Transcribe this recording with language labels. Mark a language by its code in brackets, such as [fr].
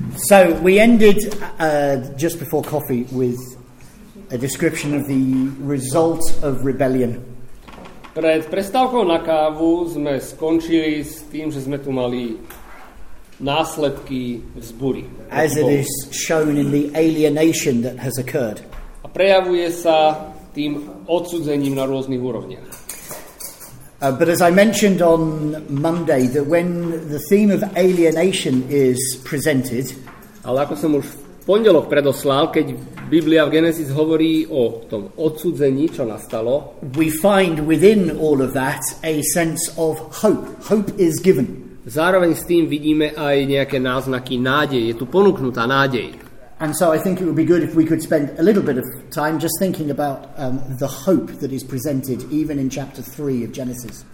[en] So we ended just before coffee with a description of the result of rebellion. [sk] Pred prestávkou na kávu sme skončili s tým, že sme tu mali následky vzbúry. [en] As it is shown in the alienation that has occurred. [sk] A prejavuje sa tým odsúdením na rôznych úrovniach. [en] But as I mentioned on Monday, that when the theme of alienation is presented, [sk] ale ako som už v pondelok predoslal, keď Biblia v Genesis hovorí o tom odsúdení, čo nastalo, [en] we find within all of that a sense of hope. Hope is given. [sk] Zároveň s tým vidíme aj nejaké náznaky nádeje. Je tu ponúknutá nádej. [en] And so I think it would be good if we could spend a little bit of time just thinking about the hope that is presented even in chapter 3 of Genesis.